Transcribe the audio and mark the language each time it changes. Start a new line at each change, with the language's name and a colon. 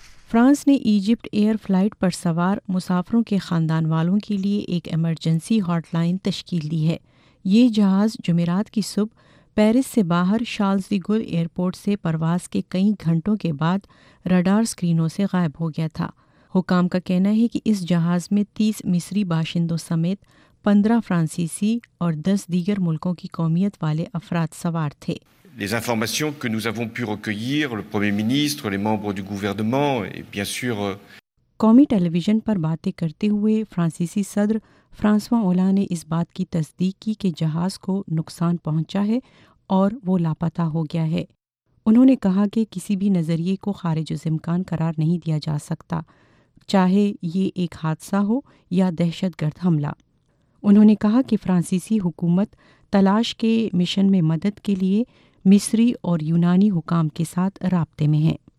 Urdu: France نے Egypt year flight پر سوار مسافروں کے خاندان والوں کے لیے ایک ایمرجنسی ہاٹ لائن تشکیل دی ہے۔ یہ جہاز جمعرات کی صبح پیرس سے باہر شارلز دی گول ایئرپورٹ سے پرواز کے کئی گھنٹوں کے بعد رڈار سکرینوں سے غائب ہو گیا تھا۔ حکام کا کہنا ہے کہ اس جہاز میں 30 مصری باشندوں سمیت 15 فرانسیسی اور 10 دیگر ملکوں کی قومیت والے افراد سوار تھے۔
French: Les informations que nous avons pu recueillir, le Premier ministre, les membres du gouvernement et bien sûr...
Urdu: قومی ٹیلیویژن پر باتیں کرتے ہوئے فرانسیسی صدر فرانسوا اولا نے اس بات کی تصدیق کی کہ جہاز کو نقصان پہنچا ہے اور وہ لاپتہ ہو گیا ہے۔ انہوں نے کہا کہ کسی بھی نظریے کو خارج از امکان قرار نہیں دیا جا سکتا، چاہے یہ ایک حادثہ ہو یا دہشت گرد حملہ۔ انہوں نے کہا کہ فرانسیسی حکومت تلاش کے مشن میں مدد کے لیے مصری اور یونانی حکام کے ساتھ رابطے میں ہیں۔